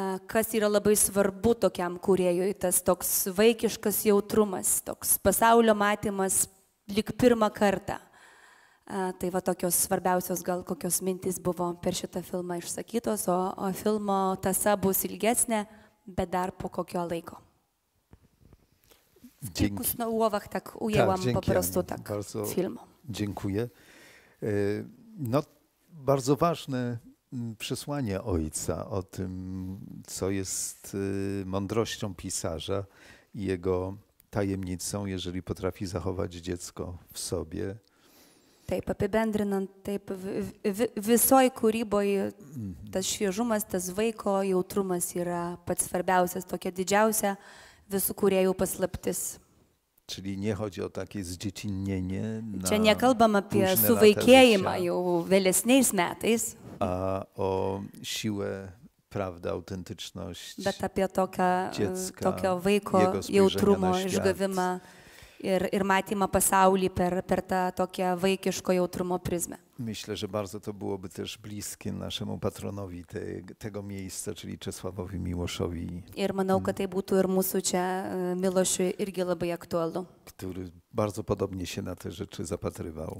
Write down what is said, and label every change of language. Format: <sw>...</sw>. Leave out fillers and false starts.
<lt>Kas yra labai svarbu tokiam kūrėjui, tas toks vaikiškas jautrumas, toks pasaulio matymas, lyg pirmą kartą. Tai va tokios svarbiausios gal kokios mintys buvo per šitą filmą išsakytos, o filmo tasa bus ilgesnė, bet dar po kokio laiko.</lt> <pl>Dzięki. W kilku słowach tak ujęłam tak, po prostu tak bardzo film. Dziękuję. No, bardzo ważne przesłanie ojca o tym, co jest mądrością pisarza i jego tajemnicą, jeżeli potrafi zachować dziecko w sobie.</pl> <lt>Taip, apibendrinant, taip, visoj kūryboj tas šviežumas, tas vaiko jautrumas yra pats svarbiausias, tokia didžiausia visų kūrėjų paslaptis.</lt> <pl>Czyli nie chodzi o takie zdziecinnienie na...</pl> <lt>Čia nekalbam apie suvaikėjimą jau vėlesniais metais.</lt> <pl>A o siłę... prawda, autentyczność</pl> <lt>bet apie tokio,</lt> <pl>dziecka,</pl> <lt>tokio vaiko jautrumo išgavimą ir matymą pasaulį per tą tokią vaikiško jautrumo prizmę.</lt> <pl>Myślę, że bardzo to byłoby też bliskie naszemu patronowi tego miejsca, czyli Czesławowi Miłoszowi.</pl> <lt>Ir manau, kad tai būtų ir mūsų čia Milošui irgi labai aktualu.</lt> <pl>Który bardzo podobnie się na te rzeczy zapatrywał.</pl>